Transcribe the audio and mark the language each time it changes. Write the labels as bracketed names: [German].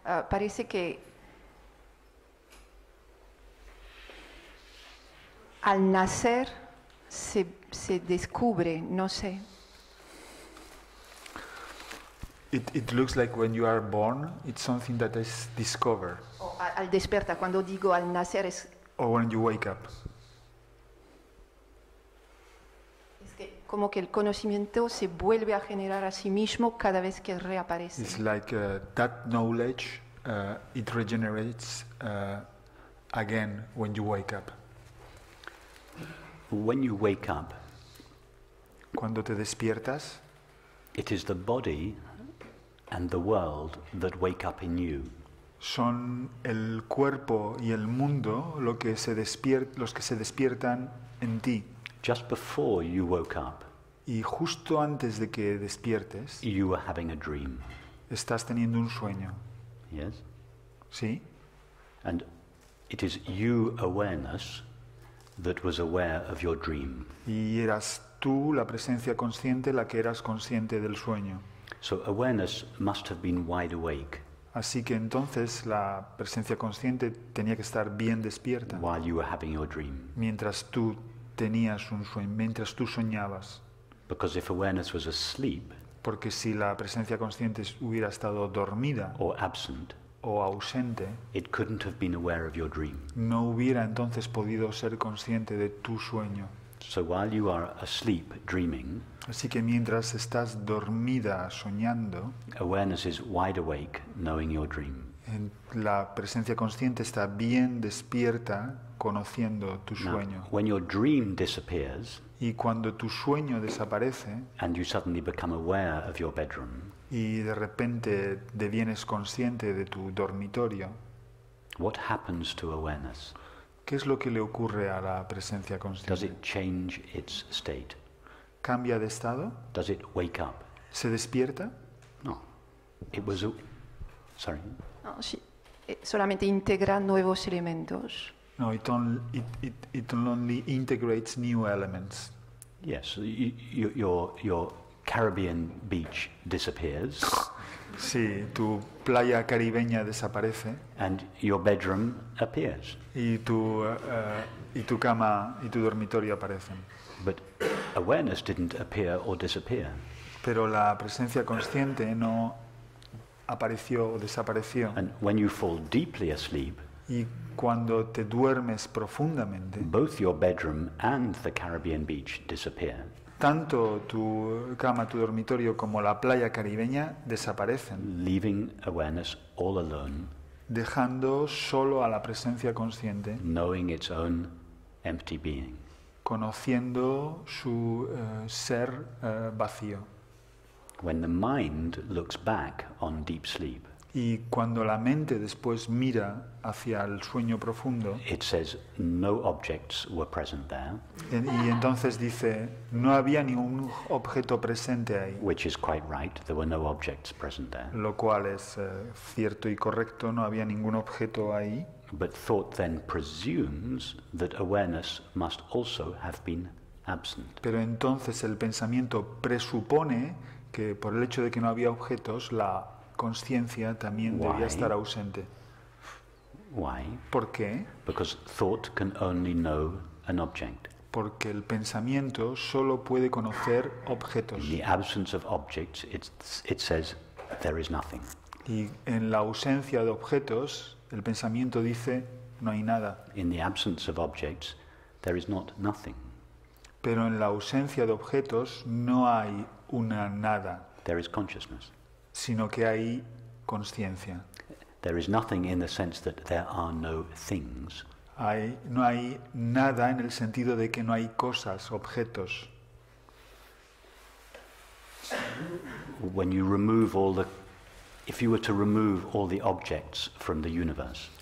[Spanish] Parece que al nacer se descubre, no sé. [English] It looks like when you are born, it's something that is discovered. [Spanish] O al despertar, cuando digo al nacer es. [English] Or when you wake up. [Spanish] Es que como que el conocimiento se vuelve a generar a sí mismo cada vez que reaparece. [English] It's like that knowledge it regenerates again when you wake up. When you wake up, [Spanish] cuando te despiertas, [English] it is the body and the world that wake up in you. [Spanish] Son el cuerpo y el mundo lo que se los que se despiertan en ti. [English] Just before you woke up, [Spanish] y justo antes de que despiertes, [English] you were having a dream. [Spanish] Estás teniendo un sueño. [English] Yes. [Spanish] Sí. [English] And it is you awareness that was aware of your dream. [Spanish] Y eras tú, la presencia consciente, la que eras consciente del sueño. [English] So awareness must have been wide awake. [Spanish] Así que entonces la presencia consciente tenía que estar bien despierta. [English] While you were having your dream. [Spanish] Mientras tú tenías un sueño, mientras tú soñabas. [English] Because if awareness was asleep, [Spanish] porque si la presencia consciente hubiera estado dormida [English] or absent, [Spanish] o ausente, [English] it couldn't have been aware of your dream. [Spanish] No hubiera entonces podido ser consciente de tu sueño. [English] So while you are asleep, dreaming, [Spanish] así que mientras estás dormida soñando, [English] awareness is wide awake, knowing your dream. [Spanish] La presencia consciente está bien despierta conociendo tu sueño. [English] Now, when your dream disappears, [Spanish] y cuando tu sueño desaparece, [English] and you suddenly become aware of your bedroom, [Spanish] y de repente devienes consciente de tu dormitorio, [English] what happens to awareness? [Spanish] ¿Qué es lo que le ocurre a la presencia consciente? [English] Does it change its state? [Spanish] ¿Cambia de estado? [English] Does it wake up? [Spanish] ¿Se despierta? [English] No. It was sorry. [Spanish] No, sí. Solamente integra nuevos elementos. [English] No, it only integrates new elements. Yes, your Caribbean beach disappears. [Spanish] Sí, tu playa caribeña desaparece. [English] And your bedroom appears. [Spanish] Y tu cama y tu dormitorio aparecen. [English] But awareness didn't appear or disappear. [Spanish] Pero la presencia consciente no apareció o desapareció. [English] And when you fall deeply asleep, [Spanish] y cuando te duermes profundamente, [English] both your bedroom and the Caribbean beach disappear. [Spanish] Tanto tu cama, tu dormitorio, como la playa caribeña desaparecen, [English] leaving awareness all alone, [Spanish] dejando solo a la presencia consciente, [English] knowing its own empty being, [Spanish] conociendo su ser vacío. [English] When the mind looks back on deep sleep, [Spanish] y cuando la mente después mira hacia el sueño profundo, [English] it says no objects were present there. [Spanish] Y entonces dice no había ningún objeto presente ahí. [English] Which is quite right. There were no objects present there. [Spanish] Lo cual es cierto y correcto. No había ningún objeto ahí. [English] But thought then presumes that awareness must also have been absent. [Spanish] Pero entonces el pensamiento presupone que por el hecho de que no había objetos la consciencia también [English] Why? [Spanish] Debía estar ausente. [English] Why? [Spanish] ¿Por qué? [English] Because thought can only know an object. [Spanish] Porque el pensamiento solo puede conocer objetos. [English] In the absence of objects, it says there is nothing. [Spanish] Y en la ausencia de objetos, el pensamiento dice no hay nada. [English] In the absence of objects, there is not nothing. [Spanish] Pero en la ausencia de objetos no hay una nada. [English] There is consciousness. [Spanish] Sino que hay conciencia. [English] There is nothing in the sense that there are no things. [Spanish] No hay nada en el sentido de que no hay cosas, objetos. [English] When you remove all the, if you were to remove all the objects from the universe.